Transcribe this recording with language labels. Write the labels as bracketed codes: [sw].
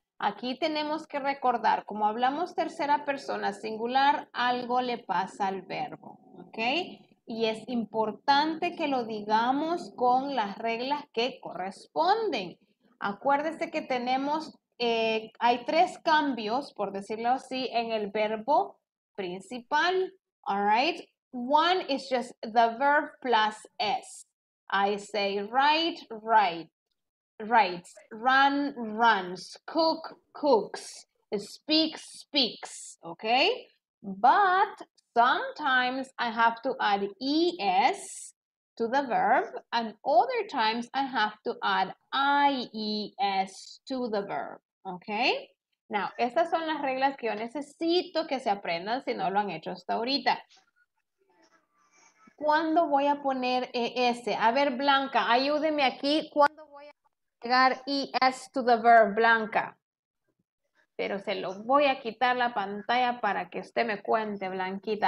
[es] Aquí tenemos que recordar, como hablamos tercera persona singular, algo le pasa al verbo, ok. Y es importante que lo digamos con las reglas que corresponden. Acuérdese que tenemos, hay tres cambios, por decirlo así, en el verbo principal. [en] All right, one is just the verb plus S. I say write, writes, run, runs, cook, cooks, speak, speaks, okay? But sometimes I have to add ES to the verb, and other times I have to add IES to the verb, okay? [es] Now, estas son las reglas que yo necesito que se aprendan si no lo han hecho hasta ahorita. ¿Cuándo voy a poner ES? A ver, Blanca, ayúdeme aquí. ¿Cuándo voy a agregar ES [en] to the verb, [es] Blanca? Pero se lo voy a quitar la pantalla para que usted me cuente, Blanquita.